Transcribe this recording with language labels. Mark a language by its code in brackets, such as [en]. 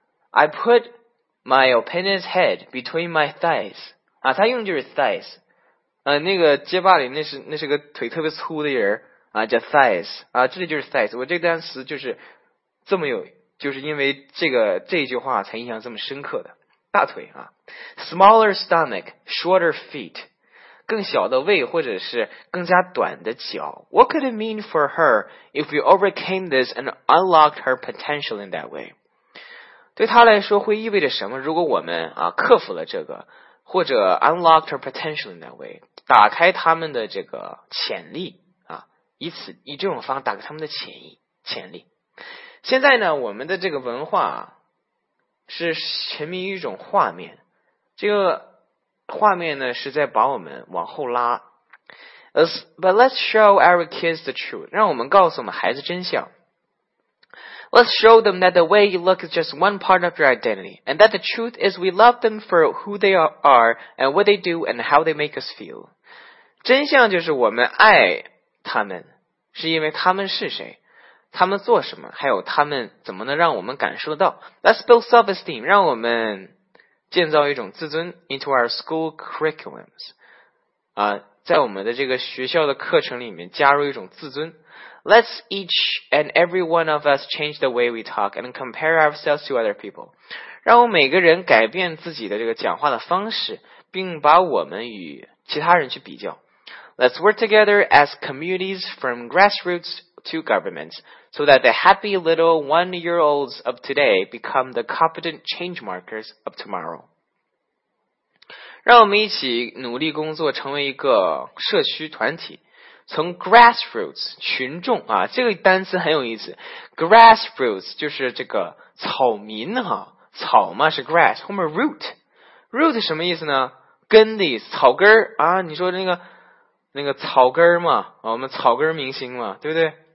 [en] I put my opponent's head between my thighs [zh] 啊，他用的就是 thighs 啊，那个街霸里那是个腿特别粗的人啊，叫 thighs 啊，这里就是 thighs。我这单词就是这么有，就是因为这句话才印象这么深刻的大腿啊。 [en] smaller stomach, shorter feet, [zh] 更小的胃或者是更加短的脚。 [en] What could it mean for her if we overcame this and unlocked her potential in that way? [zh] 对她来说会意味着什么，如果我们啊克服了这个，或者 [en] unlocked her potential in that way, [zh] 打开他们的这个潜力以这种方法打开他们的潜力。现在呢，我们的这个文化是沉迷于一种画面，这个画面呢是在把我们往后拉。 [en] But let's show our kids the truth. [zh] 让我们告诉我们孩子真相。 [en] Let's show them that the way you look is just one part of your identity, and that the truth is we love them for who they are and what they do and how they make us feel. [zh] 真相就是我们爱他们是因为他们是谁，他们做什么，还有他们怎么能让我们感受得到。 [en] Let's build self-esteem, [zh] 让我们建造一种自尊 [en] into our school curriculums, [zh] 在我们的这个学校的课程里面加入一种自尊。 [en] Let's each and every one of us change the way we talk and compare ourselves to other people, [zh] 让我们每个人改变自己的这个讲话的方式，并把我们与其他人去比较。 [en] Let's work together as communities from grassroots to governments so that the happy little one-year-olds of today become the competent change-markers of tomorrow. [zh] 让我们一起努力工作，成为一个社区团体。从 grassroots, 群众啊，这个单词很有意思。 grassroots 就是这个草民啊，草嘛是 grass, 后面 root。 root 什么意思呢？根的意思，草根啊，你说的那个草根嘛，我们草根明星嘛，对不对？